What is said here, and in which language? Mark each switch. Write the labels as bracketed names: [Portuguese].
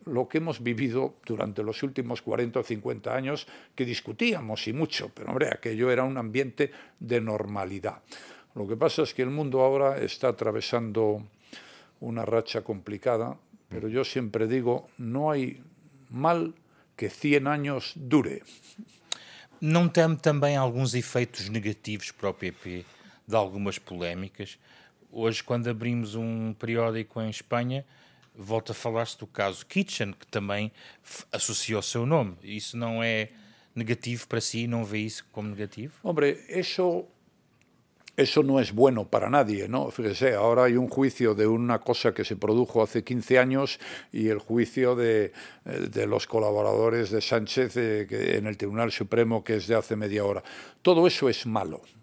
[Spanish] Lo que hemos vivido durante los últimos 40 o 50 años, que discutíamos y mucho, pero hombre, aquello era un ambiente de normalidad. Lo que pasa es que el mundo ahora está atravesando una racha complicada, pero yo siempre digo, no hay mal que 100 años dure. [Portuguese] Não teme também alguns efeitos negativos para o PP de algumas polémicas? Hoje, quando abrimos um periódico em Espanha, volta a falar-se do caso Kitchen, que também associou o seu nome. Isso não é negativo para si? Não vê isso como negativo? [Spanish] Hombre, eso no es bueno para nadie, ¿no? Fíjese, ahora hay un juicio de una cosa que se produjo hace 15 años y el juicio de los colaboradores de Sánchez en el Tribunal Supremo, que es de hace media hora. Todo eso es malo.